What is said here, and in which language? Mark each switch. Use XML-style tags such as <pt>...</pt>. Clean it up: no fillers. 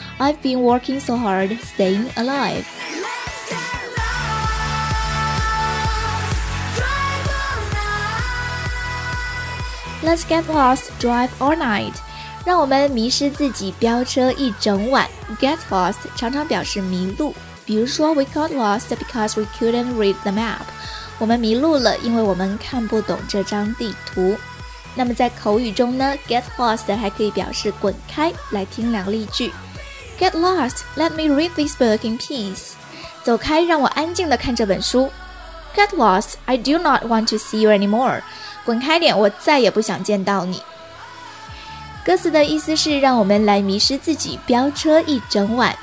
<en>I've been working so hard staying aliveLet's get lost, drive all night.</en> <zh>让我们迷失自己，飙车一整晚。 Get lost 常常表示迷路，比如说</zh> <en>We got lost because we couldn't read the map.</en> <zh>我们迷路了，因为我们看不懂这张地图。那么在口语中呢， get lost 还可以表示滚开。来听两个例句。</zh> <en>Get lost, let me read this book in peace.</en> <zh>走开，让我安静地看这本书。</zh> <en>Get lost, I do not want to see you anymore.</en> <zh>滚开点，我再也不想见到你。歌词的意思是让我们来迷失自己，飙车一整晚。</zh>